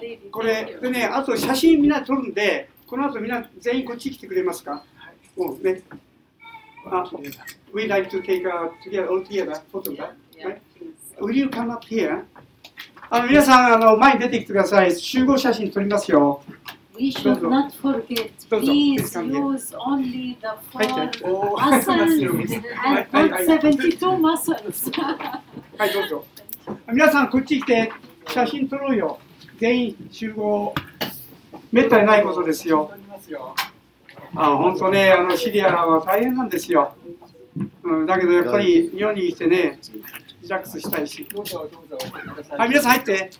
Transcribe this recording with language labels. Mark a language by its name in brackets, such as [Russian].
[Japanese] これでね、あと写真みんな撮るんで、この後みんな全員こっち来てくれますか。 [English] Oh, we'd like to take a together, all together photo, right? Will you come up here? [Japanese] 皆さん、前に出てきてください。集合写真撮りますよ。 [English] We should not forget, please use only the four muscles. I've got 72 muscles. [Japanese] はい、どうぞ。皆さん、こっち来て写真撮ろうよ。全員集合。めったにないことですよ。本当ね、シリアは大変なんですよ。だけどやっぱり日本に来てね、リラックスしたいし。はい、皆さん入って。